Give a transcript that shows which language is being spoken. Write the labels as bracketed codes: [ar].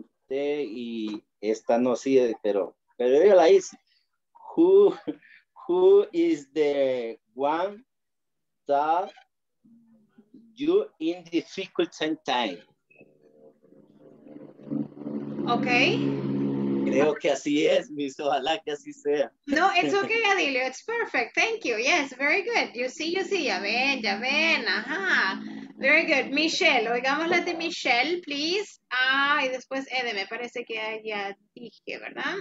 [es] Y esta no sigue, pero yo la hice. [en] Who is the one that you in difficult time? Okay. [es] Creo que así es, mis, ojalá que así sea. [en] No, it's okay, Adilio. It's perfect. Thank you. Yes, very good. You see. [es] Ya ven. Ajá. [en] Very good. [es] Michelle, oigamos la de Michelle, please. Ah, y después Ede, me parece que ya dije, ¿verdad?